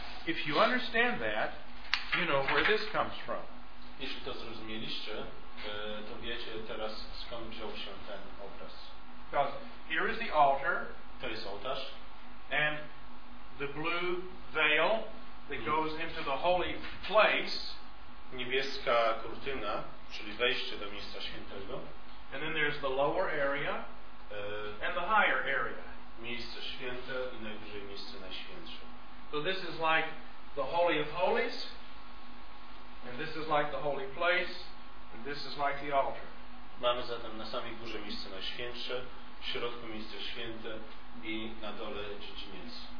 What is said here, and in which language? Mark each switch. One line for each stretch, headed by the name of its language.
English: If you understand that, you know where this comes from.
Polish: Jeśli to zrozumieliście, to wiecie teraz, skąd wziął się ten obraz.
English: Because here is the altar.
Polish: To jest ołtarz.
English: And the blue veil that goes into the holy place.
Polish: Niebieska kurtyna, czyli wejście do miejsca świętego.
English: And then there's the lower area and the higher area.
Polish: Miejsce święte i najwyżej miejsce najświętsze.
English: So this is like the Holy of Holies, and this is like the holy place, and this is like the altar.
Polish: Mamy zatem na samej górze miejsce najświętsze, w środku miejsce święte i na dole dziedziniec.